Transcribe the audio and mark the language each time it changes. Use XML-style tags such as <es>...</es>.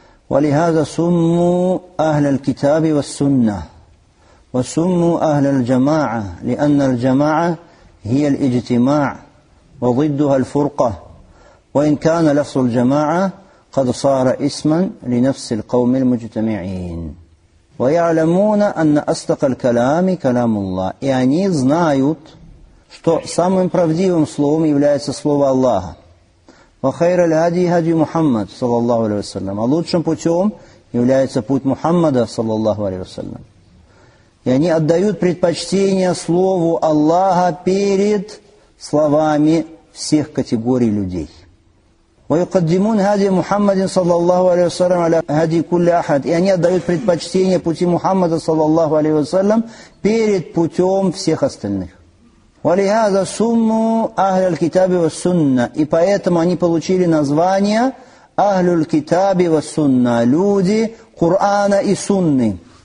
<ar>ولهذا سموا أهل الكتاب والسنة، وسموا أهل الجماعة، لأن الجماعة هي الاجتماع وضدها الفرقة، وإن كان لفظ الجماعة قد صار اسما لنفس القوم المجتمعين. ويعلمون أن أصدق الكلام كلام الله، يعني</ar> <ru>знают что самым правдивым словом является слово Аллаха.</ru> <ar>وخير الهدي هدي محمد صلى الله عليه وسلم.</ar> <ru>А лучшим путем является путь Мухаммада</ru> <ar>صلى الله عليه وسلم.</ar> <ru>И они отдают предпочтение слову Аллаха перед словами всех категорий людей.</ru> <ar>ويقدمون هدي محمد صلى الله عليه وسلم على هدي كل أحد.</ar> <ru>И они отдают предпочтение пути Мухаммада صلى الله عليه وسلم перед путем всех остальных.</ru> <ar>وَلِهَذَا سُمُّوا أَهْلَ الْكِتَابِ وَالسُنَّةِ.</ar> <ru>И поэтому они получили название أَهْلُ الْكِتَابِ وَالسُنَّةِ, люди Кур'ана и Сунны.</ru>